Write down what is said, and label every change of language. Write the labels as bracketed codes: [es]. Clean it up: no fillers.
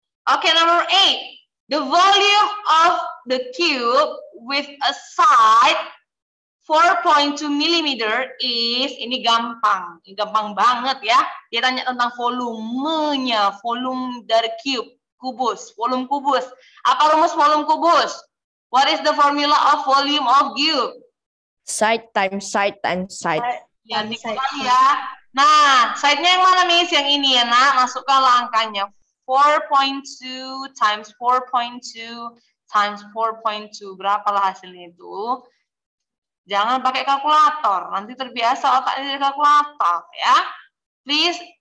[en] Oke, okay, number 8. The volume of the cube with a side 4.2 millimeter is... [id] Ini gampang. Gampang banget ya. Dia tanya tentang volumenya. Volume dari cube. Kubus, volume kubus. Apa rumus volume kubus? [en] What is the formula of volume of cube? Side times side times side. [id] Ya, dikali ya. Nah, side-nya yang mana, Miss? Yang ini ya, Nak. Masukkanlah angkanya. [en] 4.2 times 4.2 times 4.2. [id] Berapalah hasilnya itu? Jangan pakai kalkulator. Nanti terbiasa otaknya di kalkulator, ya. Please.